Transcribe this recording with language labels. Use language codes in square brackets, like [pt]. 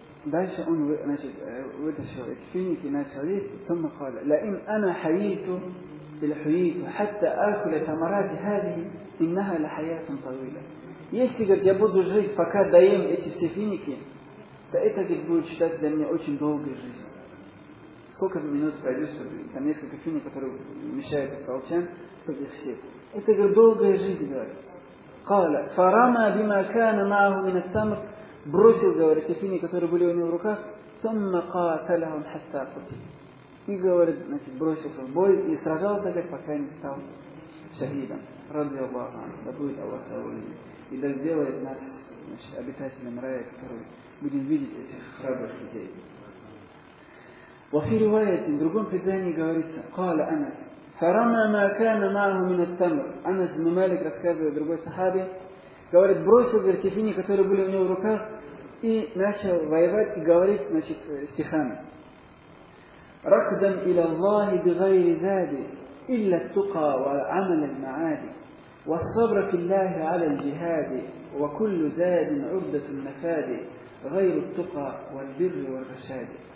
[ru] дальше он значит, вытащил эти финик и начал есть, [ar] ثم قال: لئن انا حييت بالحييت حتى اكل ثمرات هذه انها لحياه طويله. [ru] Если, говорит, я буду жить, пока доем эти все финики, то это, говорит, будет считаться для меня очень долгой жизнью. Сколько минут пройдет, чтобы там несколько финик, которые вмещают в колчан, чтобы их все. Это, говорит, долгая жизнь, говорит. [ar] Кала, фарама бима кана мааху мин ат-тамр, [ru] бросил, говорит, те финики, которые были у него в руках, [ar] сумма каталахум хатта кутил. [ru] И, говорит, значит, бросился в бой и сражался, говорит, пока не стал шахидом. Ради Аллаха, да будет Аллах доволен. И да сделает нас, значит, обитателем рая, который будет видеть этих храбрых людей. Во фируайте, в другом предании говорится, قال Анас, [ar] فَرَمَا مَا كَانَ مَعْهُ مِنَ التَّمْرِ. [ru] Анас ибн Малик рассказывает другой сахабе, говорит, бросил, говорит, те финики, которые были у него в руках, и начал воевать и говорить, значит, стихами. [ar] رَقْدًا إِلَى اللَّهِ بِغَيْرِ زَادِ إِلَّا التُّقَى وَعَمَلَ الْمَعَادِ والصبر في الله على الجهاد وكل زاد عبدة النفاد غير التقى والبر والرشاد.